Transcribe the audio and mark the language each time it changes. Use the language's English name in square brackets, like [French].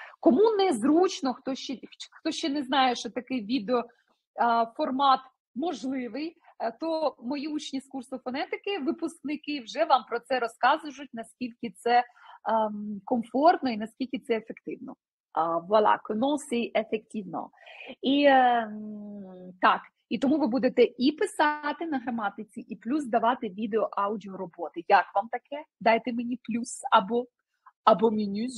[Ukrainian] Кому незручно, хто ще не знає, що такий відеоформат можливий, то мої учні з курсу фонетики, випускники, вже вам про це розказують, наскільки це комфортно і наскільки це ефективно. [French] Voilà, comment c'est effectivement. [Ukrainian] І так. І тому ви будете і писати на граматиці, і плюс давати відео-аудіо-роботи. Як вам таке? Дайте мені плюс або мінус.